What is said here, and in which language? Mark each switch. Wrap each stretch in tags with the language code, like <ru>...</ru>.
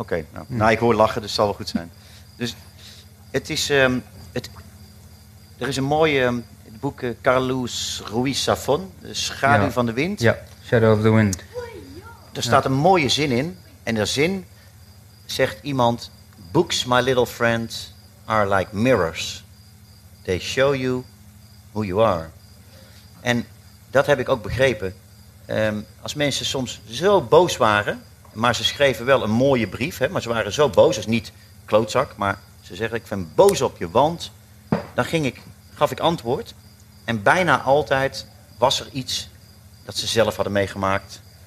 <nl>Okay, nou, nou, ik hoor lachen, dus het zal wel goed zijn. Dus het is... er is een mooie het boek Carlos Ruiz Zafón, De schaduw van de wind.</nl> <en>Ja, Shadow of the Wind.</en> <nl>Daar staat een mooie zin in. En de zin zegt iemand...</nl> <en>Books, my little friend, are like mirrors. They show you who you are.</en> <nl>En dat heb ik ook begrepen. Als mensen soms zo boos waren, maar ze schreven wel een mooie brief, hè, maar ze waren zo boos, dat is niet klootzak, maar ze zeggen, ik ben boos op je, want dan gaf ik antwoord. En bijna altijd was er iets dat ze zelf hadden meegemaakt.</nl>